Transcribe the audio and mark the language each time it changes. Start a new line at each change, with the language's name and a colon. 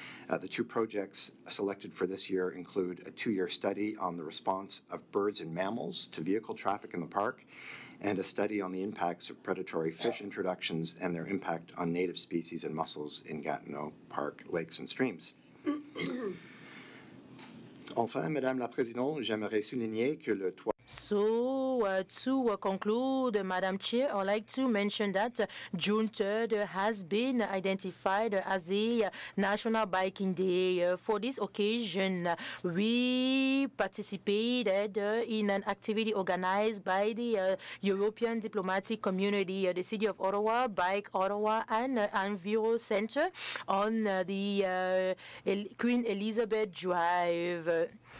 English: The two projects selected for this year include a two-year study on the response of birds and mammals to vehicle traffic in the park, and a study on the impacts of predatory fish introductions and their impact on native species and mussels in Gatineau Park lakes and streams.
French: Enfin, Madame la Présidente, j'aimerais souligner que le toit.
English: So, to conclude, Madam Chair, I'd like to mention that June 3rd has been identified as the National Biking Day. For this occasion, we participated in an activity organized by the European Diplomatic Community, the City of Ottawa, Bike Ottawa, and Enviro Center on the Queen Elizabeth Drive.